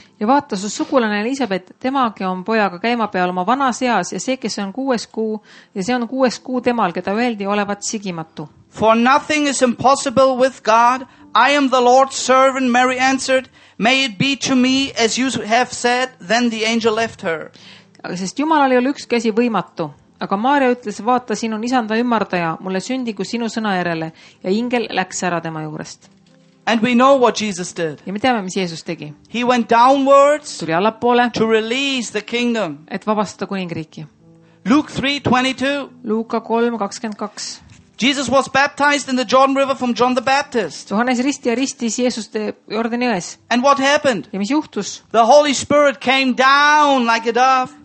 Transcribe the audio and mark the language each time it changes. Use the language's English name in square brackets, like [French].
[Estonian] ja vaata su sugulane Elisabeth, temagi on pojaga käima peal oma vana seas ja see, kes on kuues kuu ja see on kuues kuu temal, keda öeldi olevat sigimatu. [English] For nothing is impossible with God. I am the Lord's servant, Mary answered. May it be to me as you have said. Then the angel left her. [Estonian] Aga sest Jumal oli üks käsi võimatu. Aga Maarja ütles, vaata sinu isanda ümmardaja, mulle sündigu sinu sõna järele ja ingel läks ära tema juurest. [English] And we know what Jesus did. [Estonian] Ja me teame, mis Jeesus tegi. [English] He went downwards [Estonian] tuli allapoole [English] to release the kingdom. [Estonian] Et vabastada kuningriiki. [English] Luke 3:22. [Estonian] Luuka 3:22. [English] Jesus was baptized in the Jordan River from John the Baptist. [Estonian] Johannes risti ja ristis Jeesuste Jordani jões. [English] And what happened? [Estonian] Ja mis juhtus? [English] The Holy Spirit came down like a dove.